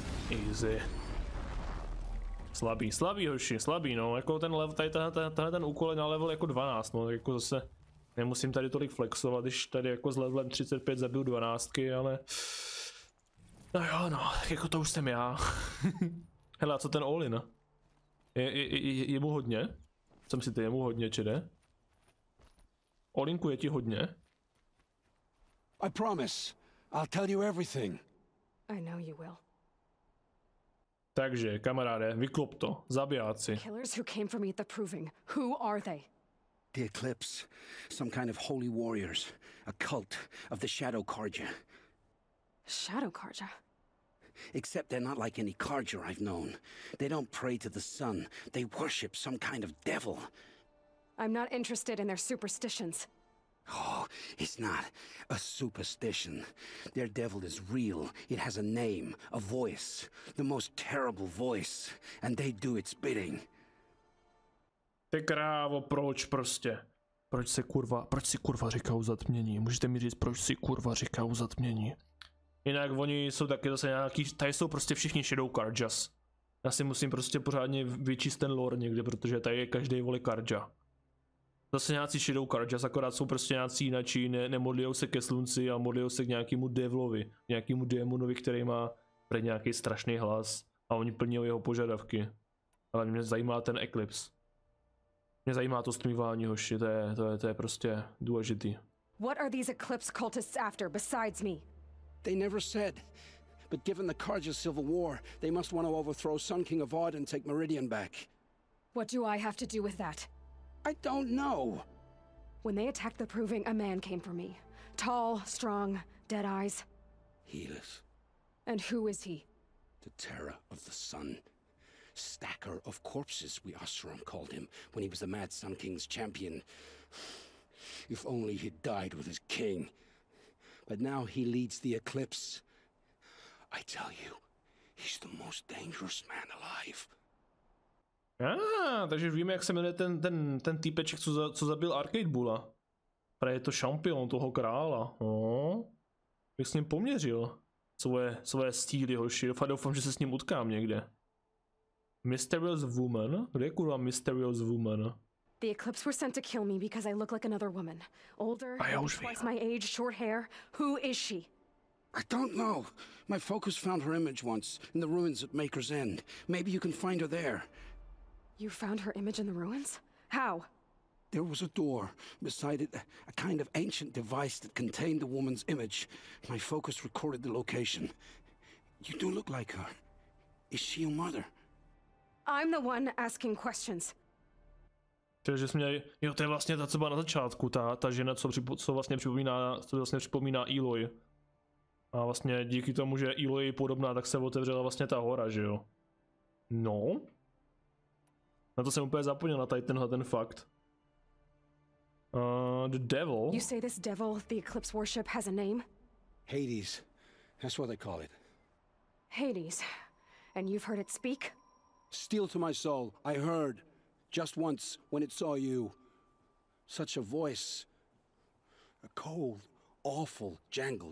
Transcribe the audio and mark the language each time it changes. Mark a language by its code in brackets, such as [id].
[cs] Easy. Slabý hoši, slabý, no, jako ten level, tady tenhle ten úkol je na level jako 12, no, tak jako zase nemusím tady tolik flexovat, když tady jako s levelem 35 zabiju 12, ale no jo, no, jako to už jsem já. Hele, a co ten Olin? Je mu hodně? Jsem si ty, je mu hodně, či ne? Olinku, je ti hodně? [en] I promise, I'll tell you everything. I know you will. [cs] Takže, kamaráde, vyklop to, zabijáci. [en] Killers who came for me at the proving. Who are they? The Eclipse. Some kind of holy warriors. A cult of the Shadow Carja. Shadow Carja? Except they're not like any Carja I've known. They don't pray to the sun. They worship some kind of devil. I'm not interested in their superstitions. Oh, it's not a superstition. Their devil is real. It has a name, a voice. The most terrible voice. And they do its bidding. [cs] Ty krávo, proč prostě? Proč si kurva říká o zatmění? Můžete mi říct, proč si kurva říká o zatmění? Jinak oni jsou taky zase nějaký... Tady jsou prostě všichni Shadow Carjas. Já si musím prostě pořádně vyčíst ten lore někde, protože tady je každý voli Carja. Zase nějací Shadow Carjas, akorát jsou prostě nějací jinačí, nemodlijou se ke slunci a modlijou se k nějakému devlovi, nějakému démonovi, který má pre nějaký strašný hlas a oni plní jeho požadavky. Ale mě zajímá ten Eclipse. Mě zajímá to stmívání, hoši, to je prostě důležitý. [en] What are these Eclipse cultists after besides me? They never said, but given the Carja civil war, they must want to overthrow Sun King of Ard and take Meridian back. What do I have to do with that? I don't know. When they attacked the proving, a man came for me. Tall, strong, dead eyes. Helis. And who is he? The Terror of the Sun. Stacker of corpses, we Osram called him when he was the Mad Sun King's champion. If only he'd died with his king. But now he leads the Eclipse. I tell you, he's the most dangerous man alive. [cs] Takže víme, jak se jmenuje ten týpeček, co zabil Arcade Bulla. Právě je to šampion toho krála. No. Jak s ním poměřil svoje stíly, hoši. Doufám, že se s ním utkám někde. Mysterious Woman? Kde je kurva Mysterious Woman? [en] The Eclipse were sent to kill me because I look like another woman. Older, twice my age, short hair. Who is she? I don't know. My focus found her image once in the ruins at Maker's End. Maybe you can find her there. You found her image in the ruins? How? There was a door beside it, a kind of ancient device that contained the woman's image. My focus recorded the location. You do look like her. Is she your mother? I'm the one asking questions. [cs] Takže jsme měli, jo, to je vlastně ta, co byla na začátku, ta žena, co vlastně připomíná Eloy. A vlastně díky tomu, že Eloy je podobná, tak se otevřela vlastně ta hora, že jo. No. Na to jsem úplně zapomněl, na tady tenhle ten fakt. [en] The devil. You say this devil, the eclipse worship, has a name? Hades. That's what they call it. Hades. And you've heard it speak? Steel to my soul, I heard. Just once, when it saw you. Such a voice. A cold, awful jangle.